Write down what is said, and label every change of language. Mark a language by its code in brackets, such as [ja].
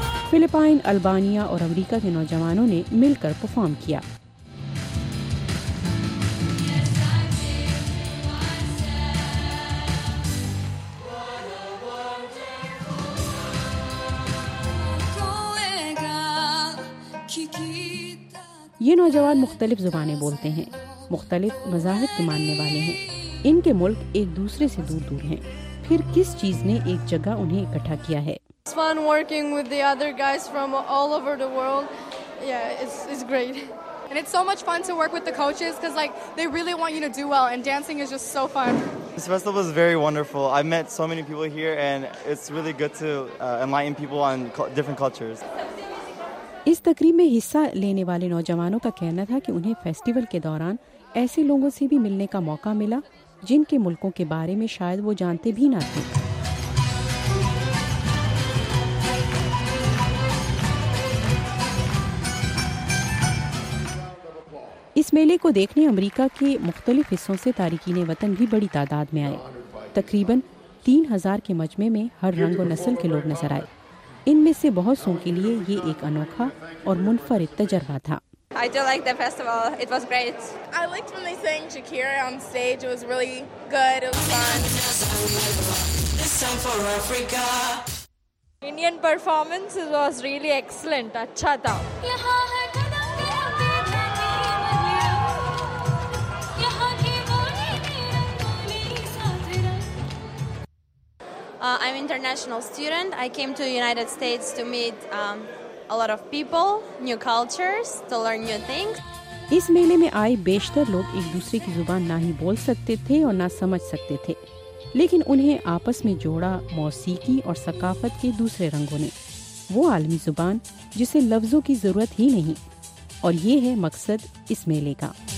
[ur] Philippines, Albania اور امریکہ کے نوجوانوں نے مل کر پرفارم کیا۔ یہ نوجوان مختلف زبانیں بولتے ہیں، مختلف مذاہب کے ماننے والے ہیں۔ ان کے ملک ایک دوسرے سے دور دور ہیں، پھر کس چیز نے ایک جگہ انہیں اکٹھا کیا ہے؟ [en] It's fun working with the other guys from all over the world. Yeah, it's great. And it's so much fun to work with the coaches because like they really want you to do well and dancing is just so fun. This festival was very wonderful. I met so many people here and it's really good to enlighten people on different cultures. [ur] اس تقریب میں حصہ لینے والے نوجوانوں کا کہنا تھا کہ انہیں فیسٹیول کے دوران ایسے لوگوں سے بھی ملنے کا موقع ملا جن کے ملکوں کے بارے میں شاید وہ جانتے بھی نہ تھے۔ اس میلے کو دیکھنے امریکہ کے مختلف حصوں سے تارکین وطن بھی بڑی تعداد میں آئے۔ تقریباً 3,000 کے مجمع میں ہر رنگ و نسل کے لوگ نظر آئے۔ ان میں سے بہت سو کے لیے یہ ایک انوکھا اور منفرد تجربہ تھا۔ [en] I do like the festival. It was great. I liked when they sang Shakira on stage. It was really good. It was fun. This time for Africa. Indian performance was really excellent. [ur] Achha tha. [en] I'm an international student. I came to the United States to meet a lot of people, new cultures, to learn new things. [ur] اس میلے میں آئے بیشتر لوگ ایک دوسرے کی زبان نہ ہی بول سکتے تھے اور نہ سمجھ سکتے تھے، لیکن انہیں آپس میں جوڑا موسیقی اور ثقافت کے دوسرے رنگوں نے، وہ عالمی زبان جسے لفظوں کی ضرورت ہی نہیں، اور یہ ہے مقصد اس میلے کا۔